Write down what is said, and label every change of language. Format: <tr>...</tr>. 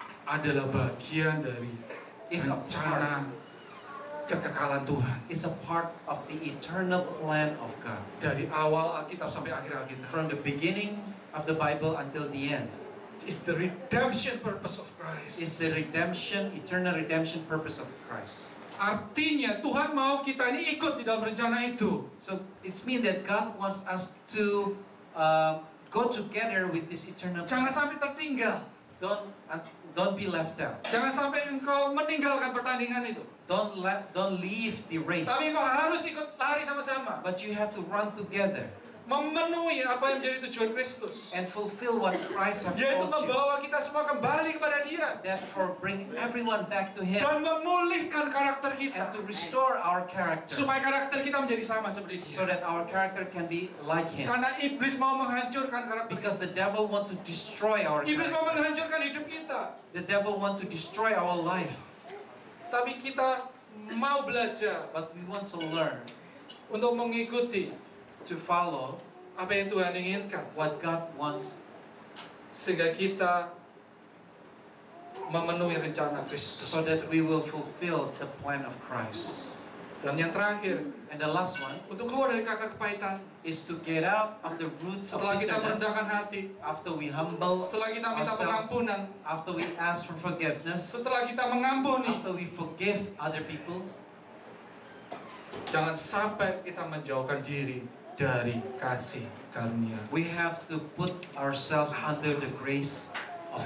<id>adalah bagian dari rencana kekekalan Tuhan.</id> <en>It's a part of the eternal plan of God.</en> <id>Dari awal Alkitab sampai akhir Alkitab.</id> <en>From the beginning of the Bible until the end. It's the redemption purpose of Christ. It's the redemption, eternal redemption purpose of Christ.</en> <id>Artinya Tuhan mau kita ini ikut di dalam rencana itu.</id> <en>So it's mean that God wants us to go together with this eternal.</en> <id>Jangan sampai tertinggal.</id> <en>Don't be left out.</en> <id>Jangan sampai engkau meninggalkan pertandingan itu.</id> <en>Don't leave the race.</en> <id>Tapi engkau harus ikut lari sama-sama.</id> <en>But you have to run together.</en> <id>Memenuhi apa yang menjadi tujuan Kristus.</id> <en>And fulfill what Christ has called you.</en> <id>Yaitu membawa kita semua kembali kepada Dia.</id> <en>Therefore, bring everyone back to Him.</en> <id>Dan memulihkan karakter kita.</id> <en>And to restore our character.</en> <id>Supaya karakter kita menjadi sama seperti Dia.</id> <en>So that our character can be like Him.</en> <id>Karena iblis mau menghancurkan karakter.</id> <en>Because the devil want to destroy our character.</en> <id>Iblis mau menghancurkan hidup kita.</id> <en>The devil want to destroy our life.</en> <id>Tapi kita mau belajar.</id> <en>But we want to learn.</en> <id>Untuk mengikuti.</id> <en>To follow</en> <id>apa yang Tuhan inginkan,</id> <en>what God wants,</en> <id>sehingga kita memenuhi rencana Kristus,</id> <en>so that we will fulfill the plan of Christ.</en> <id>Dan yang terakhir,</id> <en>and the last one,</en> <id>untuk keluar dari akar kepahitan,</id> <en>is to get out of the roots of bitterness.</en> <id>Setelah kita merendahkan hati,</id> <en>after we humble,</en> <id>setelah kita minta pengampunan,</id> <en>after we ask for forgiveness,</en> <id>setelah kita mengampuni,</id> <en>after we forgive other people,</en> <id>jangan sampai kita menjauhkan diri dari kasih karunia.</id> <en>We have to put ourselves under the grace of</en>